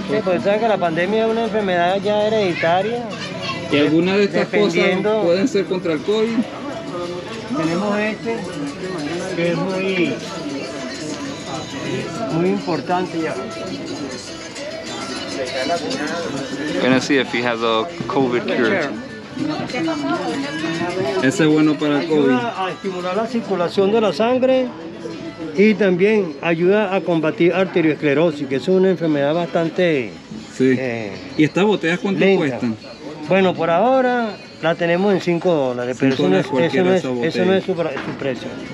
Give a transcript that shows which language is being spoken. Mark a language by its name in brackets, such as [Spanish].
[Spanish] Pues. Sí, pues sabes que la pandemia es una enfermedad ya hereditaria. ¿Y alguna de estas cosas pueden ser contra el COVID? Tenemos este, que es muy importante ya. [English] Gonna see if he has a COVID cure. [Spanish] Ese es bueno para el COVID. Ayuda a estimular la circulación de la sangre y también ayuda a combatir arteriosclerosis, que es una enfermedad bastante... Sí. ¿Y estas botellas cuánto lenta. Cuestan? Bueno, por ahora la tenemos en $5, pero eso no es su precio.